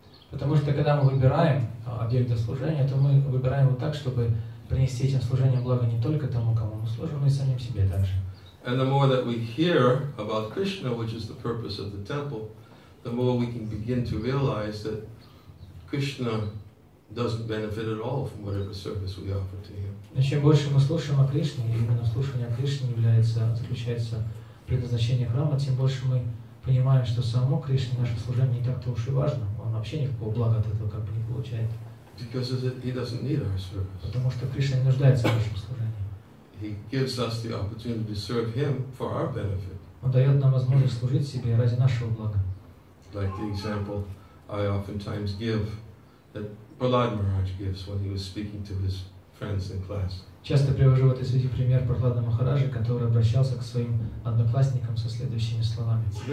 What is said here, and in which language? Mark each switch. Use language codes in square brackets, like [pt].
[ru] Потому что когда мы выбираем объект для служения, то мы выбираем его так, чтобы принести этим служением благо не только тому, кому мы служим, но и самим себе также. [en] And the more that we hear about Krishna, which is the purpose of the temple, the more we can begin to realize that Krishna doesn't benefit at all from whatever service we offer to him. [ru] И чем больше мы слушаем о Кришне, и именно слушание о Кришне является, заключается предназначение храма, тем больше мы понимаем, что само Кришне наше служение не так-то уж и важно. Вообще никакого блага от этого как бы не получает. Потому что Кришна не нуждается в нашем служении. Он дает нам возможность служить себе ради нашего блага. [en] Like the example I oftentimes give that Prahlad Maharaj gives when he was speaking to his friends in class. [ru] Часто привожу в этой связи пример Прахлада Махараджи, который обращался к своим одноклассникам со следующими словами.